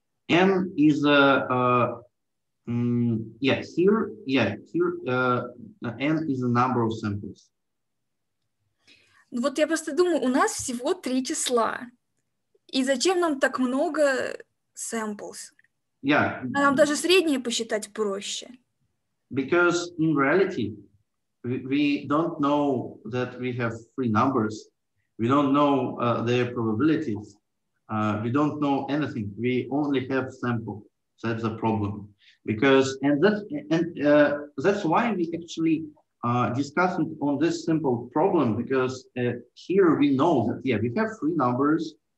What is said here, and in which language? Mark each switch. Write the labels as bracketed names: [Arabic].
[English] N is a N is the number of samples. [Russian] Вот я просто думаю, у нас всего 3 числа. И зачем нам так много samples? [English] Yeah. [Russian] А нам даже среднее посчитать проще. [English] Because in reality, we don't know that we have 3 numbers. We don't know their probabilities. We don't know anything. We only have sample. That's the problem. Because that's why we actually discussing on this simple problem, because here we know that, yeah, we have 3 numbers,